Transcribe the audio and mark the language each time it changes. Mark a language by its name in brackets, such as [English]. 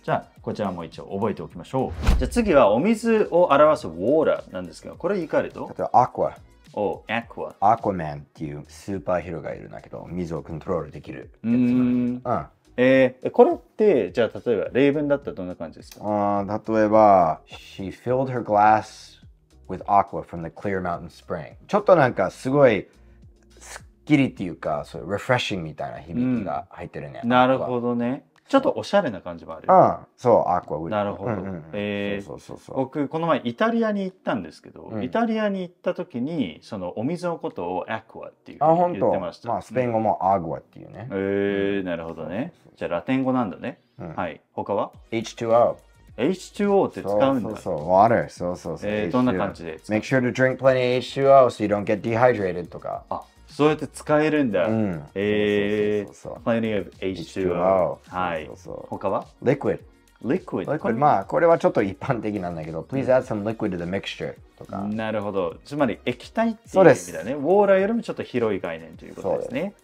[Japanese] じゃあこちらも一応覚えておきましょう。じゃあ次はお水を表す water なんですけど、これ言い換えると？例えば aqua。おアクア。アクアマンっていうスーパーヒーローがいるんだけど、水をコントロールできるやつ。うん。これって、じゃあ例えば、例文だったらどんな感じですか？例えば、 [English] She filled her glass with aqua from the clear mountain spring. [Japanese] ちょっとなんかすごい、すっきりっていうか、そういう refreshing みたいな響きが入ってるね。なるほどね。ちょっとおしゃれな感じもある。うん、そう、アクアウィル。なるほど。そうそうそうそう。僕、この前、イタリアに行ったんですけど、うん、イタリアに行った時に、そのお水のことをアクアっていう言ってました。あ、ほんまあ、スペイン語もアグアっていうね。へ、なるほどね。そうそうそう。じゃあ、ラテン語なんだね。うん、はい。他は [English] H2O [Japanese] って使うんだ。そうそうそう。Water。 そうそうそう。どんな感じで使う [English] Make sure to drink plenty of H2O so you don't get dehydrated [Japanese] とか。あ、そうやって使えるんだ。うん、 [English] Plenty of H2O。 [Japanese] はい。そうそうそう。 [English] 他は Liquid。 Liquid。 Liquid。 [Japanese] まあ、これはちょっと一般的なんだけど、 [English] Please add some liquid to the mixture [Japanese] とか。なるほど。つまり液体っていう意味だね。ウォーラーよりもちょっと広い概念ということですね。